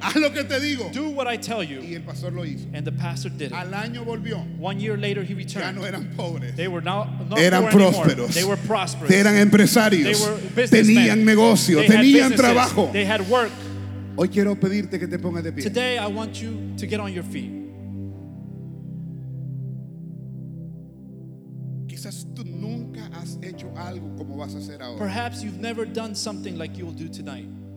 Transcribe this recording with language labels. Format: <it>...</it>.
<es>Haz lo que te digo.</es> <en>Do what I tell you.</en> <es>Y el pastor lo hizo.</es> <en>And the pastor did it.</en> <es>Al año volvió.</es> <en>1 year later he returned.</en> <es>Ya no eran pobres.</es> <en>They were not</en> <es>eran</es> <en>poor</en> <es>prósperos.</es> <en>Anymore. They were prosperous.</en> <es>Eran empresarios.</es> <en>They were businessmen.</en> <es>Tenían negocio.</es> <en>They</en> <es>tenían trabajo.</es> <en>They had work.</en> <es>Hoy quiero pedirte que te pongas de pie.</es> <en>Today I want you to get on your feet.</en> <es>Quizás tú nunca has hecho algo como vas a hacer ahora.</es> <en>Perhaps you've never done something like you will do tonight.</en>